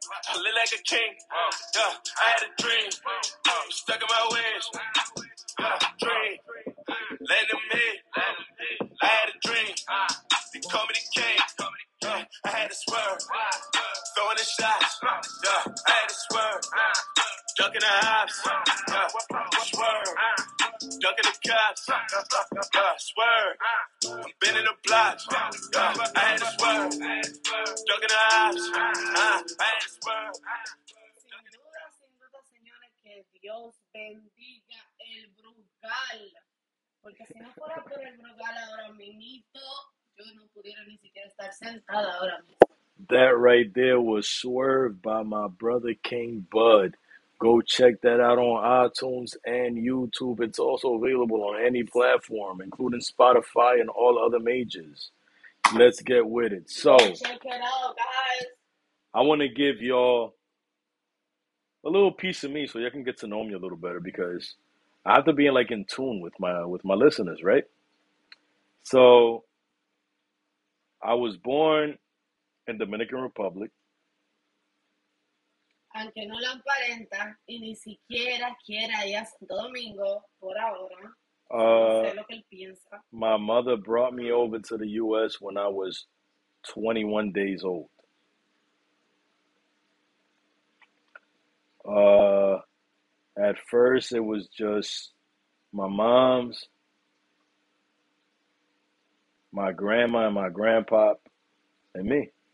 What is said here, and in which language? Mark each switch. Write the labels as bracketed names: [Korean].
[English] I live like a king, I had a dream, I'm stuck in my ways, dream, letting them in, I had a dream, they call me the king, I had to swerve, throwing the shots, I had to swerve, ducking the hops, swerve. Ducking the cops, swerve. I'm bending the blocks, I had to swerve. Ducking the hops, I had to swerve. [Spanish] Sin duda, señores, que Dios bendiga el Brugal. Porque si no fuera por el Brugal ahora mismo, yo no pudiera ni siquiera estar sentada ahora mismo. [English] That right there was Swerve by my brother King Bud. Go check that out on iTunes and YouTube. It's also available on any platform, including Spotify and all other majors. Let's get with it. So, check it out, guys. I want to give y'all a little piece of me so y'all can get to know me a little better, because I have to be like in tune with my listeners, right? So, I was born in Dominican Republic. [Spanish] Aunque no lo aparenta y ni siquiera quiera ir a Santo Domingo por ahora, no sé lo que él piensa. [English] My mother brought me over to the U.S. when I was 21 days old. At first, it was just my mom's, my grandma and my grandpa, and me.